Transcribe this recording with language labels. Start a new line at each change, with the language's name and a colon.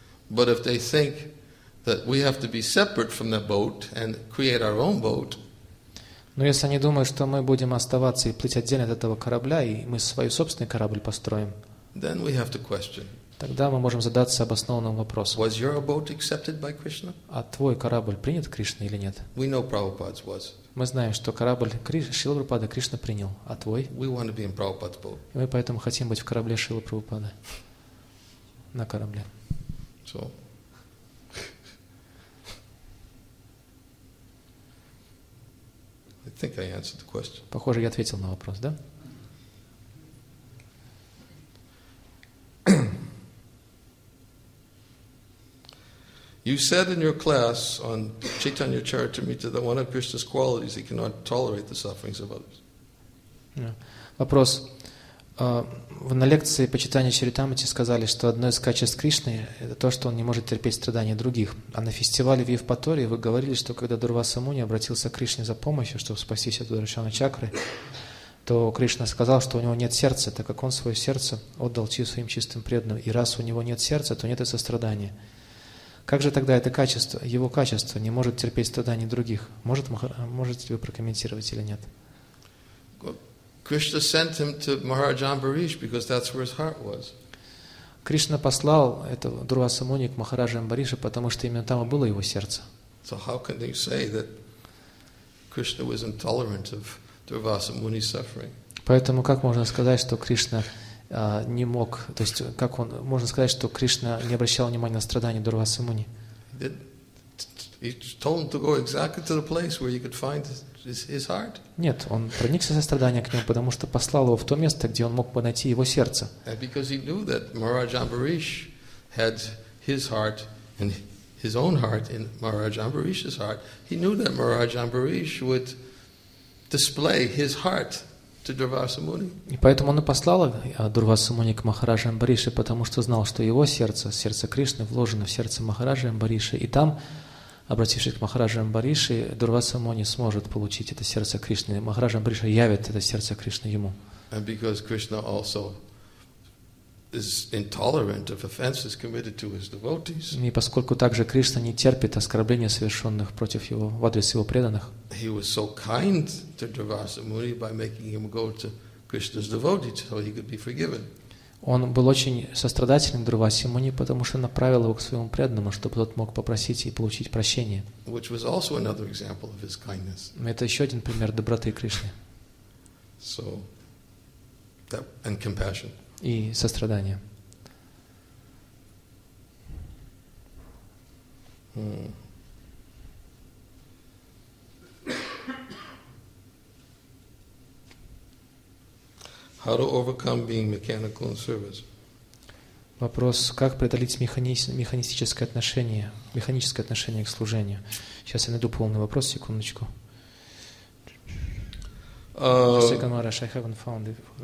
English: But if they think that we have to be separate from the boat and create our own boat,
Russian: но если они думают, что мы будем оставаться и плыть отдельно от этого корабля, и мы свой собственный корабль построим,
English: then we have to question,
Russian: тогда мы можем задаться обоснованным вопросом.
English: Was your boat accepted by Krishna?
Russian: А твой корабль принят Кришной или нет?
English: We know Prabhupada's was.
Russian: Мы знаем, что корабль Шрилы Прабхупады Кришна принял, а твой?
English: We want to be in Prabhupada's boat.
Russian: И мы поэтому хотим быть в корабле Шрилы Прабхупады. На корабле.
English: So. I think I answered the question.
Russian: Похоже, я ответил на вопрос, да?
English: You said in your class on Chaitanya Charitamrita that one of Krishna's qualities, he cannot tolerate the sufferings of others.
Russian: Вопрос. Вы на лекции по читанию Чаритамрити сказали, что одно из качеств Кришны — это то, что он не может терпеть страдания других. А на фестивале в Евпатории вы говорили, что когда Дурвасса Муни обратился к Кришне за помощью, чтобы спастись от удрученной чакры, то Кришна сказал, что у него нет сердца, так как он свое сердце отдал своим чистым преданным. И раз у него нет сердца, то нет и сострадания. Как же тогда это качество, его качество, не может терпеть страдания других? Можете ли вы прокомментировать или нет?
English: Krishna sent him to Maharaj Ambarish because that's where his heart was.
Russian: Кришна послал этого Дурвасса Муни к Махараджу Амбаришу, потому что именно там и было его сердце.
English: So how can they say that Krishna was intolerant of Durvasa Muni's suffering?
Russian: Поэтому как можно сказать, что Кришна не мог, то есть как он можно сказать, что Кришна не обращал внимания на страдания Дурвасса Муни?
English: He told him to go exactly to the place where you could find his heart.
Russian: Нет, он проникся состраданием к нему, потому что послал его в то место, где он мог бы найти его сердце.
English: And because he knew that Maharaj Ambarish had his heart and his own heart in Maharaj Ambarish's heart, he knew that Maharaj Ambarish would display his heart to Durvasa Muni.
Russian: И поэтому он и послал Дурвасса Муни к Махараджу Амбаришу, потому что знал, что его сердце, сердце Кришны, вложено в сердце Махараджа Амбариши, и там, обратившись к Махараджу Амбаришу, Дурвасса Муни сможет получить это сердце Кришны. Махараджа Амбариша явит это сердце Кришны ему.
English: And because Krishna also is intolerant of offenses committed to his devotees.
Russian: И поскольку также Кришна не терпит оскорбления, совершенных против его, в адрес его преданных.
English: He was so kind to Dravasa Muni by making him go to Krishna's devotees so he could be forgiven.
Russian: Он был очень сострадательным Дурвасе Муни, потому что направил его к своему преданному, чтобы тот мог попросить и получить прощение.
English: Which was also another example of his kindness.
Russian: Это еще один пример доброты Кришны.
English: So, that, and compassion.
Russian: И сострадание.
English: How to overcome being mechanical in service?
Russian: Вопрос: как преодолеть механическое отношение к служению? Сейчас я найду полный вопрос, секундочку.
English: Second one, I haven't found it.